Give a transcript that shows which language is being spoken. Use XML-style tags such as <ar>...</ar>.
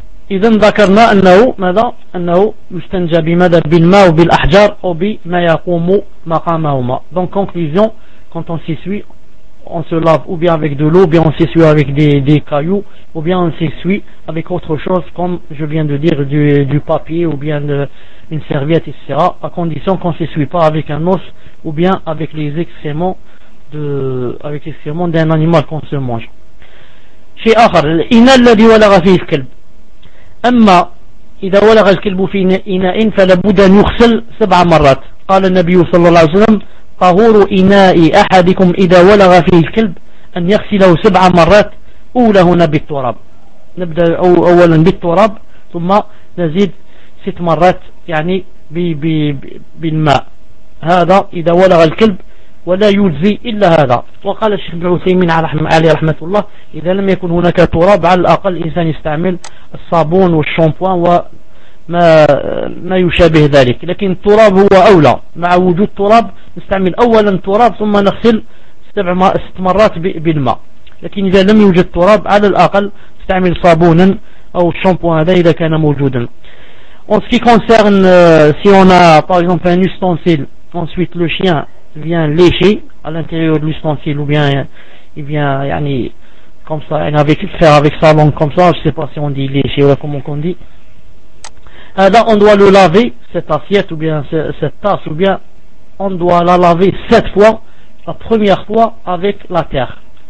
<ar>إذن ذكرنا أنه ماذا؟ أنه يستنجى بماذا؟ بالماء وبالأحجار أو بما يقوم مقامهما.</ar> <fr>Donc conclusion, quand on s'essuie, on se lave ou bien avec de l'eau, ou bien on s'essuie avec des cailloux, ou bien on s'essuie avec autre chose, comme je viens de dire, du papier ou bien une serviette, etc., à condition qu'on ne s'essuie pas avec un os ou bien avec les excréments d'un animal qu'on se mange.</fr> <ar>شيء آخر، الإناء الذي ولغ فيه الكلب. أما إذا ولغ الكلب في إناء فلابد أن يغسل سبع مرات. قال النبي صلى الله عليه وسلم: طهور إناء أحدكم إذا ولغ فيه الكلب أن يغسله سبع مرات، أولهن بالتراب. نبدأ أولا بالتراب ثم نزيد ست مرات يعني بالماء. هذا إذا ولغ الكلب ولا يجزي إلا هذا. وقال الشيخ بن عثيمين عليه رحمة الله: إذا لم يكن هناك تراب على الأقل الإنسان يستعمل الصابون والشامبوان وما يشابه ذلك، لكن التراب هو أولى. مع وجود تراب نستعمل أولا تراب ثم نغسل ست مرات بالماء، لكن إذا لم يوجد تراب على الأقل نستعمل صابونا أو الشامبوان هذا إذا كان موجودا.</ar> <fr>En ce qui concerne si on a par exemple un ustensile, ensuite le chien vient lécher à l'intérieur de l'ustensile, ou bien il vient yani, comme ça, faire avec sa langue comme ça, je ne sais pas si on dit lécher ou comment on dit. Là, on doit le laver, cette assiette ou bien cette tasse, ou bien on doit la laver sept fois, la première fois avec la terre.</fr>